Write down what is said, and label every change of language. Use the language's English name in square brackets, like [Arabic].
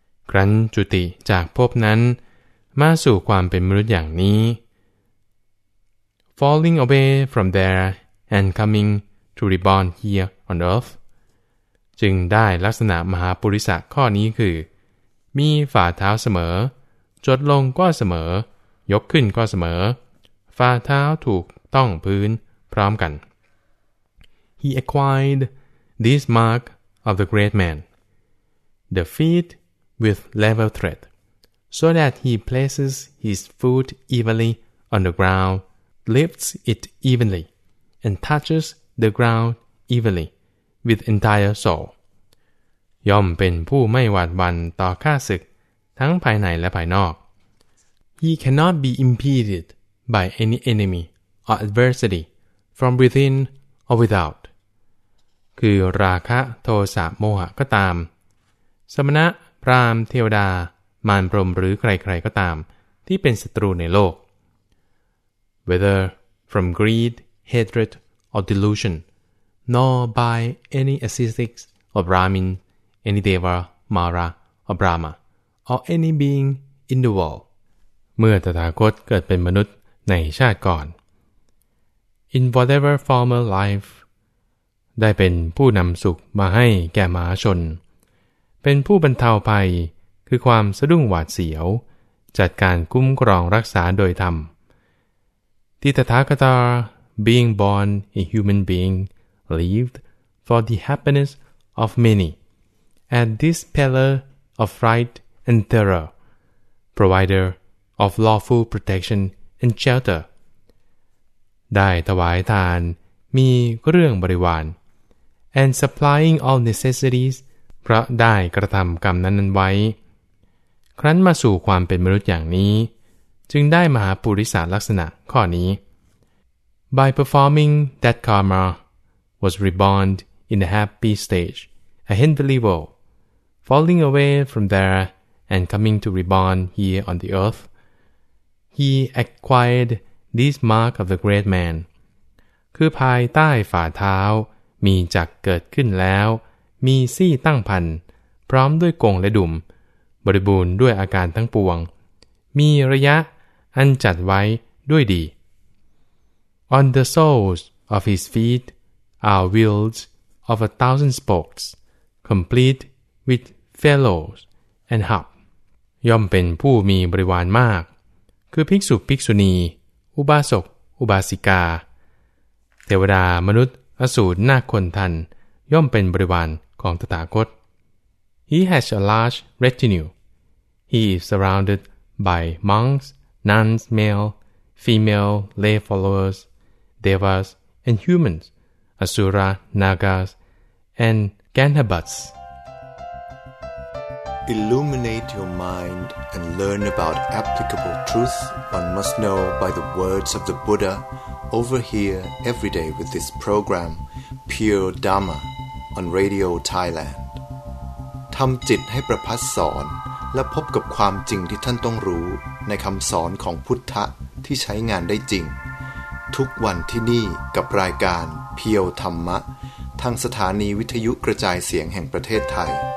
[Thai] ครั้นจุติจากภพนั้นมาสู่ความเป็นมนุษย์อย่างนี้ [English] Falling away from there and coming to reborn here on earth [Thai] จึงได้ลักษณะมหาปุริสะข้อนี้คือมีฝ่าเท้าเสมอจดลงก็เสมอยกขึ้นก็เสมอฝ่าเท้าถูกต้องพื้นพร้อมกัน [English] He acquired this markOf the great man, the feet with level tread, so that he places his foot evenly on the ground, lifts it evenly, and touches the ground evenly with entire soul. [Thai] ย่อมเป็นผู้ไม่หวาดหวั่นต่อข้าศึกทั้งภายในและภายนอก [English] He cannot be impeded by any enemy or adversity from within or without. [Thai] คือราคะโทสะโมหะก็ตามสมณะพราหมณ์เทวดามารพรหมหรือใครๆก็ตามที่เป็นศัตรูในโลก [English] whether from greed hatred or delusion nor by any ascetics or brahmin any deva mara or brahma or any being in the world [Thai] เมื่อตถาคตเกิดเป็นมนุษย์ในชาติก่อน [English] in whatever former life [Thai] ได้เป็นผู้นำสุขมาให้แก่มหาชนเป็นผู้บรรเทาภัยคือความสะดุ้งหวาดเสียวจัดการคุ้มครองรักษาโดยธรรมทิฏฐากตา [English] being born a human being lived for the happiness of many and this pillar of right and terror provider of lawful protection and shelter [Thai] ได้ถวายทานมีเรื่องบริวาร [English] and supplying all necessities [Thai] เพราะได้กระทำกรรมนั้นไว้ครั้นมาสู่ความเป็นมนุษย์อย่างนี้จึงได้มหาปุริสลักษณะข้อนี้ [English] by performing that karma was reborn in a happy stage a heavenly world falling away from there and coming to reborn here on the earth he acquired this mark of the great man [Thai] คือภายใต้ฝ่าเท้ามีจักเกิดขึ้นแล้วมีซี่ตั้งพันพร้อมด้วยกงและดุมบริบูรณ์ด้วยอาการทั้งปวงมีระยะอันจัดไว้ด้วยดี [English] On the soles of his feet are wheels of 1,000 spokes complete with fellows and hub [Thai] ย่อมเป็นผู้มีบริวารมากคือภิกษุภิกษุณีอุบาสกอุบาสิกาเทวดามนุษย์อสูรนาคคนทันย่อมเป็นบริวารของตถาคต [English] He has a large retinue. He is surrounded by monks, nuns, male, female, lay followers, devas, and humans, asura, nagas, and ganhabats. Illuminate your mind and learn about applicable truth one must know by the words of the Buddha. Over here every day with this program Pure Dharma on Radio Thailand [Thai] ทำจิตให้ประพัสสอนและพบกับความจริงที่ท่านต้องรู้ในคำสอนของพุทธะที่ใช้งานได้จริงทุกวันที่นี่กับรายการ Pure Dharma ทางสถานีวิทยุกระจายเสียงแห่งประเทศไทย